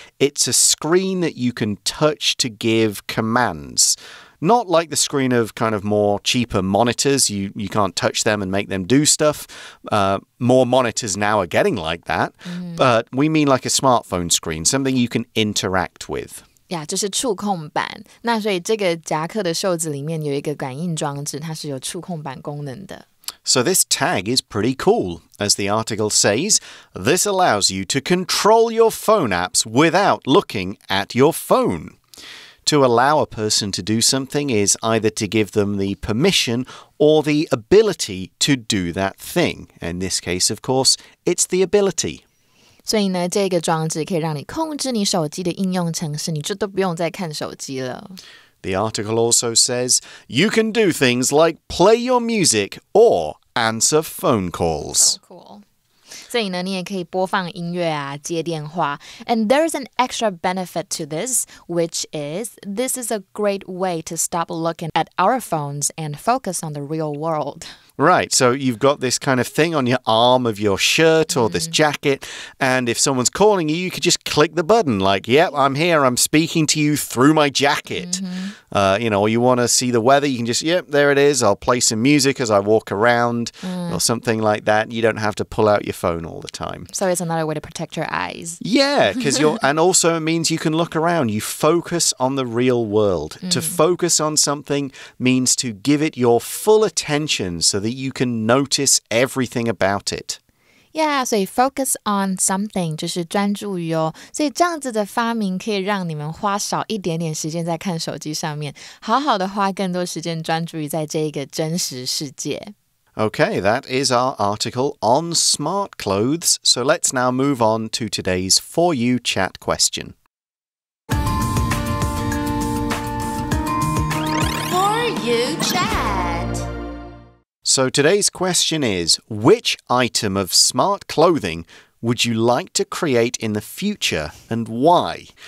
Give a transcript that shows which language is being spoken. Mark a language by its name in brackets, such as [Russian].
[English] It's a screen that you can touch to give commands. Not like the screen of kind of more cheaper monitors. You can't touch them and make them do stuff. More monitors now are getting like that. Mm. But we mean like a smartphone screen, something you can interact with. [Chinese] 呀、yeah, 就是触控板。那所以这个夹克的袖子里面有一个感应装置，它是有触控板功能的。 [English] So this tag is pretty cool. As the article says, this allows you to control your phone apps without looking at your phone. To allow a person to do something is either to give them the permission or the ability to do that thing. In this case, of course, it's the ability. [Chinese] 所以呢，这个装置可以让你控制你手机的应用程式，你就都不用再看手机了。 [English] The article also says, you can do things like play your music or answer phone calls. So cool. [Chinese] 所以呢，你也可以播放音乐啊，接电话。 [English] And there's an extra benefit to this, which is this is a great way to stop looking at our phones and focus on the real world. Right, so you've got this kind of thing on your arm of your shirt or this jacket, and if someone's calling you, you could just click the button, like, yep, I'm here, I'm speaking to you through my jacket. You know, or you want to see the weather, you can just, yep, there it is, I'll play some music as I walk around, or something like that. You don't have to pull out your phone all the time. So it's another way to protect your eyes. Yeah, because you're, and also it means you can look around, you focus on the real world. To focus on something means to give it your full attention, so that you can notice everything about it. Yeah, so focus on something, 就是专注于哦。 [Chinese] 所以这样子的发明可以让你们花少一点点时间在看手机上面，好好的花更多时间专注于在这一个真实世界。 [English] Okay, that is our article on smart clothes. So let's now move on to today's For You chat question. For You chat. So today's question is, which item of smart clothing would you like to create in the future and why?